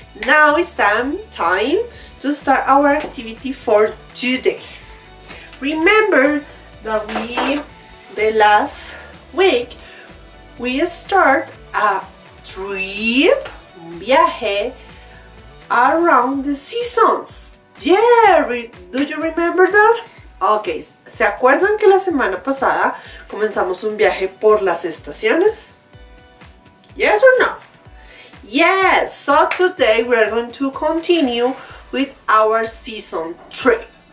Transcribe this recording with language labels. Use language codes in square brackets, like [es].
[en] Now it's time to start our activity for today. Remember that the last week we start a trip, viaje, around the seasons. Yeah, do you remember that? [es] Okay, ¿se acuerdan que la semana pasada comenzamos un viaje por las estaciones? [en] Yes or no? Yes, so today we are going to continue with our season trip.